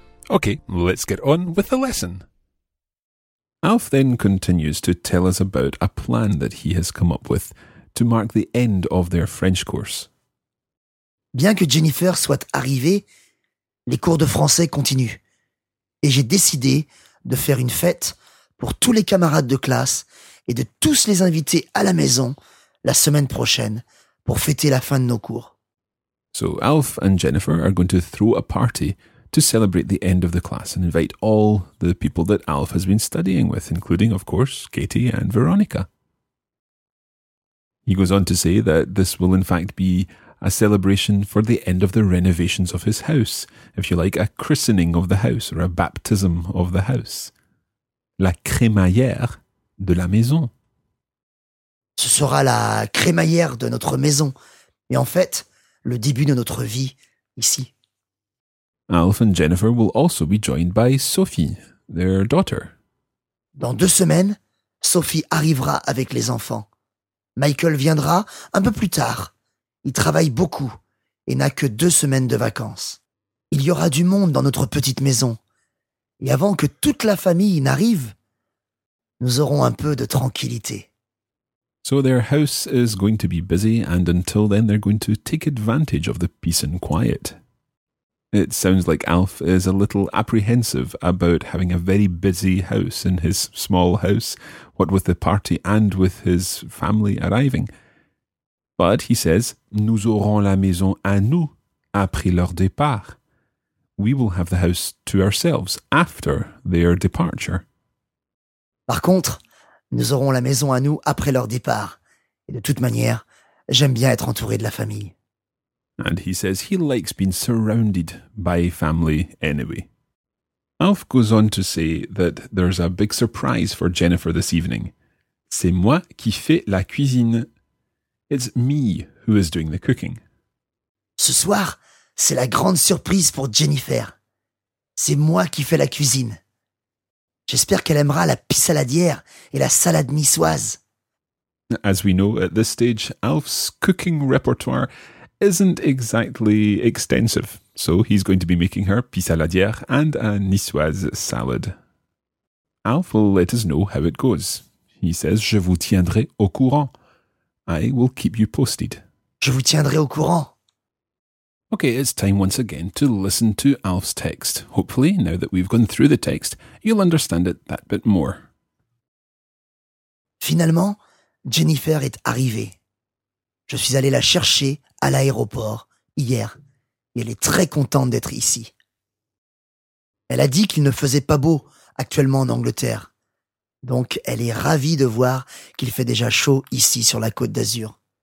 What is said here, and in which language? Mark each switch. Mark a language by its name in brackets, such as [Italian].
[English] Okay, let's get on with the lesson. Alf then continues to tell us about a plan that he has come up with to mark the end of their French course. [French] Bien que Jennifer soit arrivée, les cours de français continuent. Et j'ai décidé de faire une fête pour tous les camarades de classe et de tous les inviter à la maison la semaine prochaine pour fêter la fin de nos cours. [English] So Alf and Jennifer are going to throw a party to celebrate the end of the class and invite all the people that Alf has been studying with, including, of course, Katie and Veronica. He goes on to say that this will in fact be a celebration for the end of the renovations of his house, if you like, a christening of the house or a baptism of the house. [French] La crémaillère de la maison. Ce sera la crémaillère de notre maison, et en fait, le début de notre vie ici. [English] Alf and Jennifer will also be joined by Sophie, their daughter. [French] Dans deux semaines, Sophie arrivera avec les enfants. Michael viendra un peu plus tard. Il travaille beaucoup et n'a que deux semaines de vacances. Il y aura du monde dans notre petite maison. Et avant que toute la famille n'arrive, nous aurons un peu de tranquillité. [English] So their house is going to be busy and until then they're going to take advantage of the peace and quiet. It sounds like Alf is a little apprehensive about having a very busy house in his small house, what with the party and with his family arriving. But he says, [French] nous aurons la maison à nous après leur départ. [English] We will have the house to ourselves after their departure. [French] Par contre, nous aurons la maison à nous après leur départ. Et de toute manière, j'aime bien être entouré de la famille. [English] And he says he likes being surrounded by family anyway. Alf goes on to say that there's a big surprise for Jennifer this evening. [French] C'est moi qui fais la cuisine. [English] It's me who is doing the cooking. [French] Ce soir, c'est la grande surprise pour Jennifer. C'est moi qui fais la cuisine. J'espère qu'elle aimera la pissaladière et la salade niçoise. [English] As we know, at this stage, Alf's cooking repertoire isn't exactly extensive. So he's going to be making her pissaladière and a niçoise salad. Alf will let us know how it goes. He says, [French] je vous tiendrai au courant. [English] I will keep you posted. [French] Je vous tiendrai au courant. [English] Okay, it's time once again to listen to Alf's text. Hopefully, now that we've gone through the text, you'll understand it that bit more. [French] Finalement, Jennifer est arrivée. Je suis allé la chercher à l'aéroport hier. Et elle est très contente d'être ici. Elle a dit qu'il ne faisait pas beau actuellement en Angleterre. Donc, elle est ravie de voir qu'il fait déjà chaud ici sur la Côte d'Azur.